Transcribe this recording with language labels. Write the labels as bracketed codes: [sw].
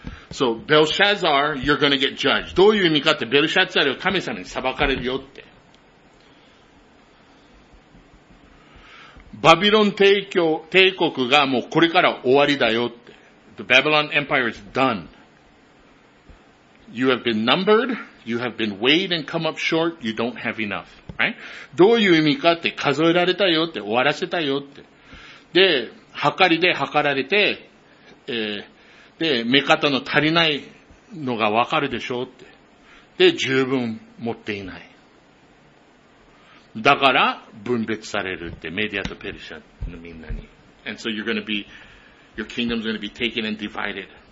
[en] So, Belshazzar, you're gonna get judged. [ja] どういう意味かって、ベルシャツァルを神様に裁かれるよって。バビロン帝国がもうこれから終わりだよって。 [en] The Babylon Empire is done. You have been numbered, you have been weighed and come up short, you don't have enough. Right? [ja] どういう意味かって数えられたよって、終わらせたよって。で、計りで計られて、で、目方の足りないのがわかるでしょうって。で、十分持っていない。だから、分別されるって、メディアとペルシャのみんなに。 [en] And so you're gonna be, your kingdom's gonna be taken and divided.